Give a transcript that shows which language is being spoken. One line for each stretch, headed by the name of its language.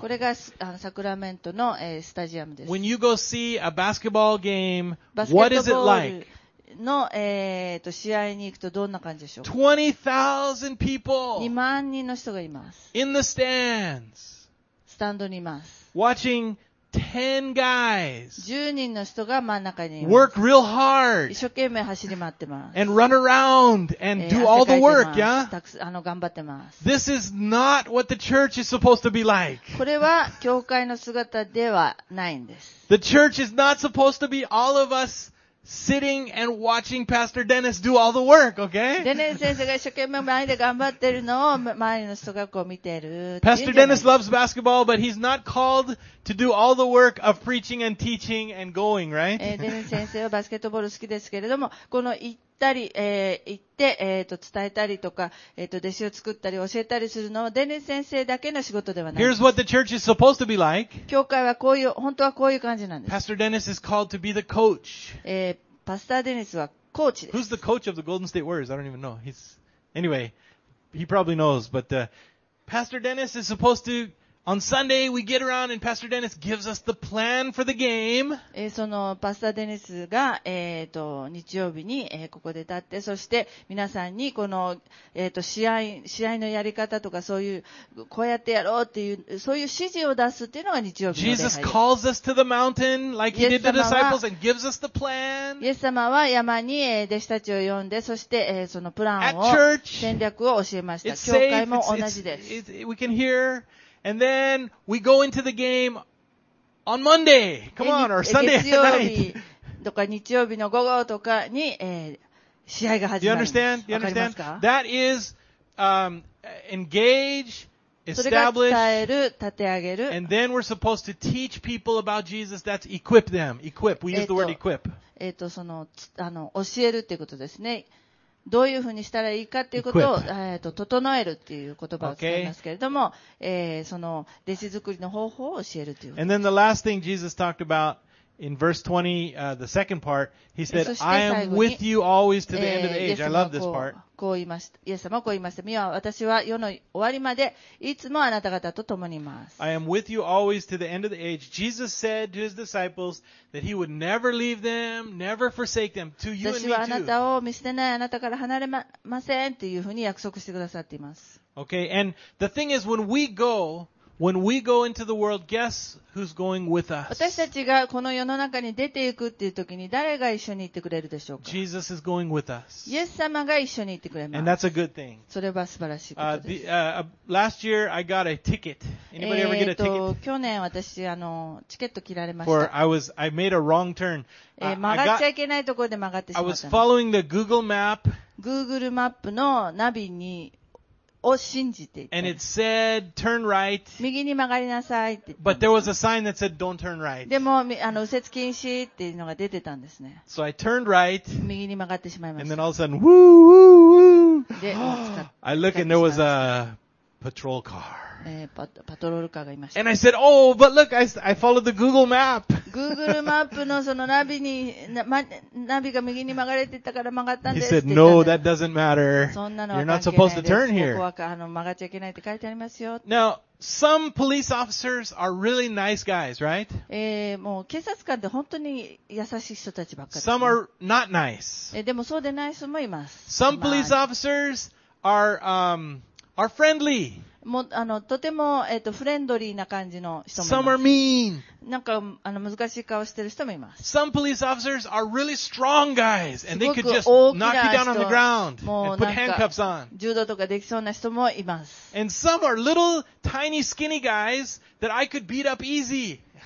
Japanese: これがサクラメントの、スタジアムです。
English: When you go see a basketball game, what is it like?
Japanese: の、試合に行くとどんな感じでしょうか
English: ？20,000 people.
Japanese: 2万人の人がいます。
English: In the stands.
Japanese: スタンドにいます。
English: Watching 10 guys.
Japanese: 10人の人が真ん中にいます。
English: Work real hard.
Japanese: 一生懸命走り回ってます。
English: And run around and do all the work, yeah?
Japanese: たくさん頑張ってます。
English: This is not what the church is supposed to be like.
Japanese: これは教会の姿ではないんです。
English: The church is not supposed to be all of us. Sitting and watching Pastor Dennis do all the work, okay?
Japanese: Dennis 先生が一生懸命前で頑張ってるのを周りの人がこう見てる。
English: Pastor Dennis loves basketball, but he's not called to do all the work of preaching and teaching and going, right?
Japanese: Dennis 先生はバスケットボール好きですけれども、この行ったり、行って、伝えたりとか、弟子を作ったり教えたりするのは Dennis 先生だけの仕事ではない。
English: Here's what the church is supposed to be like.
Japanese: 教会はこういう、本当はこういう感じなんです。
English: Pastor Dennis is called to be the coach.
Japanese: パスターデニスはコーチです。
English: Who's the coach of the Golden State Warriors? I don't even know. He's anyway, he probably knows. But Pastor Dennis is supposed to on Sunday we get around and Pastor Dennis gives us the plan for the game.
Japanese: そのパスターデニスが日曜日にここで立って、そして皆さんにこの試合のやり方とかそういうこうやってやろうっていうそういう指示を出すっていうのが日曜日。
English: Jesus calls us to the mountain like he did the disciples and gives us the plan.
Japanese: イエス様は山に弟子たちを呼んで、そしてそのプランを戦略を教えました。教会も同じです。
English: We can hear. And then we go into the game on Monday. Come on, or Sunday night.
Japanese: 月曜日とか日曜日の午後とかに、試合が始まる。
English: Do you understand? Do you understand? That is, engage, establish,
Japanese: それが伝える、立て上げる。
English: And then we're supposed to teach people about Jesus. That's equip them. Equip. We use the word equip.
Japanese: その、教えるっていうことですね。どういうふうにしたらいいかということを、整えるっていう言葉を使いますけれども、
English: okay.
Japanese: その弟子作りの方法を教えるということです。
English: And then the last thing Jesus talked about In verse 20, the second part, he said, I am with you always to the end of the age. I love this part.
Japanese: イエス様はこう言いました。見よ、私は世の終わりまでいつもあなた方と共にいます。
English: I am with you always to the end of the age. Jesus said to his disciples that he would never leave them, never forsake them, to you and me too.
Japanese: 私はあなたを見捨てない、あなたから離れませんというふうに約束してくださっています。
English: Okay, and the thing is, when we go into the world, guess who's going with us?
Japanese: 私たちがこの世の中に出ていくっていう時に誰が一緒に行ってくれるでしょうか?
English: Jesus is going with us.
Japanese: イエス様が一緒に行ってくれます。
English: And that's a good thing.
Japanese: それは素晴らしいことです。
English: Last year, I got a ticket. Anybody ever get a ticket?
Japanese: 去年私、チケット切られました。
English: For I made a wrong turn.
Japanese: 曲がっちゃいけないところで曲がってしまった
English: の。I was following the Google map.
Japanese: Google マップのナビにを信じていて
English: And it said, turn right.
Japanese: 右に曲がりなさいって言って
English: But there was a sign that said, don't turn right.
Japanese: でも、右折禁止っていうのが出てたんですね。
English: So I turned right.
Japanese: 右に曲がってしまいました。
English: And then all of a sudden, woo, woo, woo.
Japanese: で、
English: I look and there was a patrol car.
Japanese: パトロールカーがいました。
English: And I said, oh, but look, I followed the Google map.
Japanese: Google マップのそのナビに、ナビが右に曲がれてたから曲がったんです。
English: He said, no, that doesn't matter. You're not supposed to turn here.
Japanese: 曲がっちゃいけないって書いてありますよ。
English: Now, some police officers are really nice guys, right?
Japanese: もう警察官って本当に優しい人たちばっかり。
English: Some are not nice.
Japanese: でもそうでない人もいます。
English: Some police officers are friendly.
Japanese: もとてもフレンドリーな感じの人もいます。
English: Some are mean.
Japanese: なんか難しい顔してる人もいます。
English: Some police officers are really strong guys, and they could just knock you down on the ground and put handcuffs on.
Japanese: 柔道とかできそうな人もいます。
English: And some are little tiny skinny guys that I could beat up easy.